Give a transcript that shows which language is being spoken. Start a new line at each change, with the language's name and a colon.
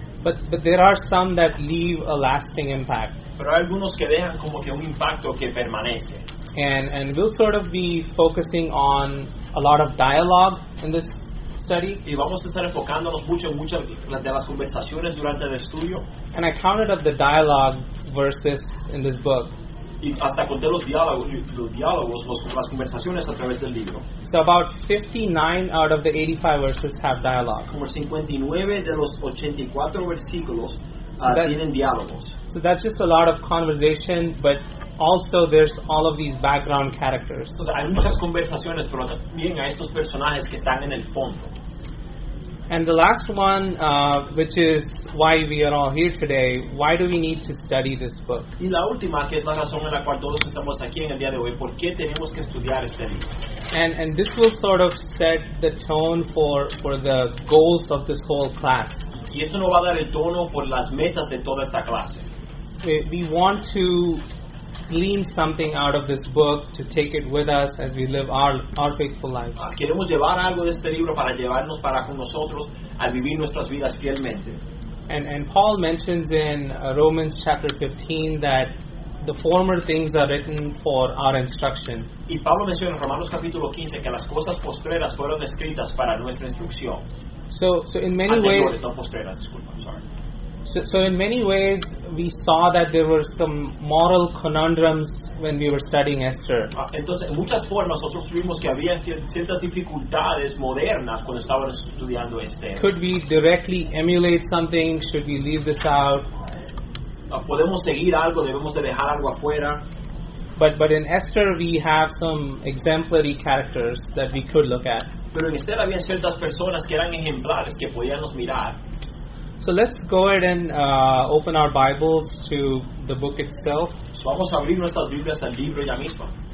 English: But there are some that leave a lasting impact.
Spanish: Pero hay algunos que dejan como que un impacto que permanece.
English: And we'll sort of be focusing on a lot of dialogue in this study.
Spanish: Y vamos a estar enfocándonos mucho en muchas de las conversaciones durante el estudio.
English: And I counted up the dialogue verses in this book.
Spanish: Y hasta conté los diálogos, las conversaciones a través del libro.
English: So about 59 out of the 85 verses have dialogue.
Spanish: Como 59 de los 84 versículos tienen diálogos.
English: So that's just a lot of conversation, but also there's all of these background characters.
Spanish: O sea, hay muchas conversaciones, pero también hay estos personajes que están en el fondo.
English: And the last one, which is why we are all here today, why do we need to study this book?
Spanish: Y la última, que es la razón en la cual todos estamos aquí en el día de hoy, ¿por qué tenemos que estudiar este libro?
English: And this will sort of set the tone for the goals of this whole class.
Spanish: Y esto nos va a dar el tono por las metas de toda esta clase.
English: We want to glean something out of this book to take it with us as we live our faithful lives.
Spanish: Queremos llevar algo de este libro para llevarnos para con nosotros al vivir nuestras vidas fielmente.
English: And Paul mentions in Romans chapter 15 that the former things are written for our instruction.
Spanish: Y Pablo menciona en Romanos capítulo 15 que las cosas postreras fueron escritas para nuestra instrucción.
English: So in many ways.
Spanish: No postreras, disculpa,
English: I'm sorry. So in many ways, we saw that there were some moral conundrums when we were studying Esther.
Spanish: Entonces, en muchas formas, nosotros vimos que había ciertas dificultades modernas cuando estaban estudiando Esther.
English: Could we directly emulate something? Should we leave this out?
Spanish: ¿Podemos seguir algo? ¿Debemos de dejar algo afuera?
English: But in Esther, we have some exemplary characters that we could look at.
Spanish: Pero en Esther había ciertas personas que eran ejemplares que podíamos mirar.
English: So let's go ahead and open our Bibles to the book itself.
Spanish: So vamos a abrir nuestras Biblias al libro ya mismo.